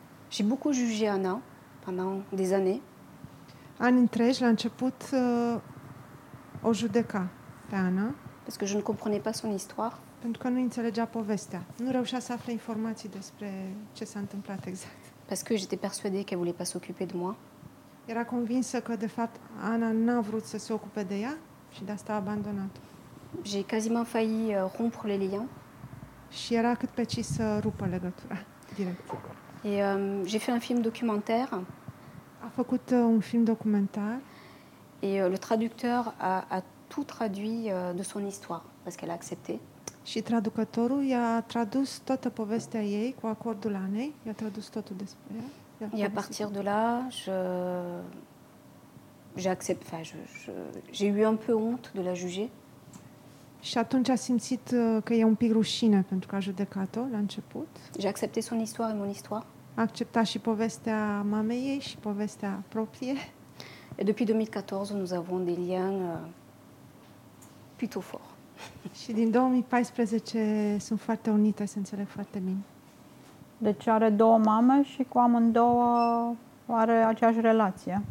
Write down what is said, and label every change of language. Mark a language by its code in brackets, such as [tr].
[fr] J'ai beaucoup jugé Ana pendant des années. [ro] Ani întregi, la început, o judeca pe Ana. [fr] Parce que je ne comprenais pas son histoire. [ro] Pentru că nu înțelegea povestea. Nu reușea să afle informații despre ce s-a întâmplat exact. [fr] Parce que j'étais persuadée qu'elle voulait pas s'occuper de moi. [ro] Era convinsă că, de fapt, Ana n-a vrut să se ocupe de ea și de asta a abandonat. [fr] J'ai quasiment failli rompre les liens. [ro] Și era cât pe ci să rupă legătura direct. [fr] Et j'ai fait un film documentaire. [ro] A făcut un film documentar. [fr] Et le traducteur a tout traduit de son histoire parce qu'elle a accepté. [ro] Și traducătorul i-a tradus toată povestea ei cu acordul Anei, i-a tradus totul despre ea. [fr] Et à partir de là, j'ai eu un peu honte de la juger. [ro] Și atunci a simțit că e un pic rușine pentru că a judecat-o la început. [fr] J'ai accepté son histoire et mon histoire. [ro] A acceptat și povestea mamei ei și povestea proprie. [fr] Et depuis 2014, nous avons des liens plutôt forts. [ro] Și din 2014 sunt foarte unite, se înțeleg foarte bine. Deci are două mame și cu amândouă are aceeași relație.